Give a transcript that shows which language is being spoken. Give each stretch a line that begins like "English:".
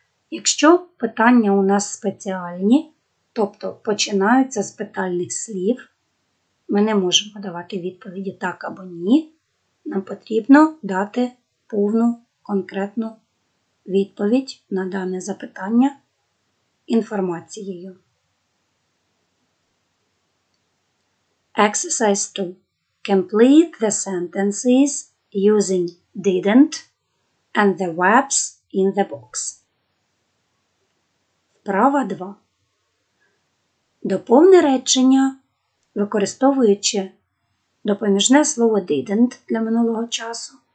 Ukrainian: Якщо питання у нас спеціальні, тобто починаються з питальних слів, ми не можемо давати відповіді так або ні. Нам потрібно дати повну конкретну відповідь на дане запитання інформацією.
English: Exercise 2. Complete the sentences using didn't and the verbs in the box.
Ukrainian: Вправа 2. Доповни речення, використовуючи допоміжне слово didn't для минулого часу